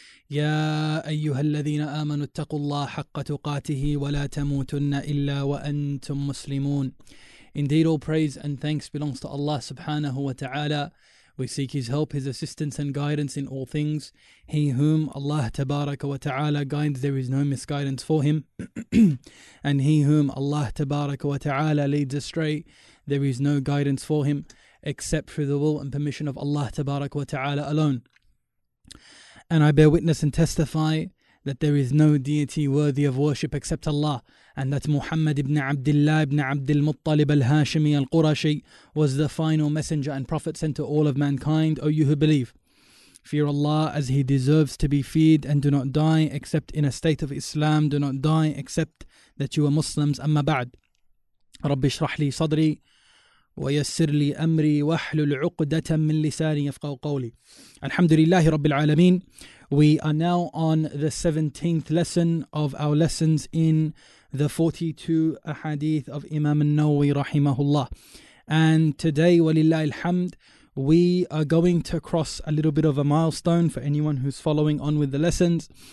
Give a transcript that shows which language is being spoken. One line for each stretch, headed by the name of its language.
Arabic: يا أيها الذين آمنوا اتقوا الله حق تقاته ولا تموتن إلا وأنتم مسلمون.
English: Indeed, all praise and thanks belongs to Allah subhanahu wa ta'ala. We seek His help, His assistance and guidance in all things. He whom Allah tabaraka wa ta'ala guides, there is no misguidance for Him. And he whom Allah tabaraka wa ta'ala leads astray, there is no guidance for Him except through the will and permission of Allah tabaraka wa ta'ala alone. And I bear witness and testify that there is no deity worthy of worship except Allah, and that Muhammad ibn Abdullah ibn Abdul Muttalib al-Hashimi al-Qurashi was the final messenger and prophet sent to all of mankind. O you who believe, fear Allah as He deserves to be feared, and do not die except in a state of Islam. Do not die except that you are Muslims.
Arabic: Amma ba'd. Rabbi shrah li sadri ويسر لي أمري وحلل عقدة من لساني يفقه قولي. الحمد لله رب العالمين.
English: We are now on the 17th lesson of our lessons in the 42 hadith of Imam al-Nawawi rahimahullah. And today,
Arabic: ولله الحمد,
English: we are going to cross a little bit of a milestone for anyone who's following on with the lessons.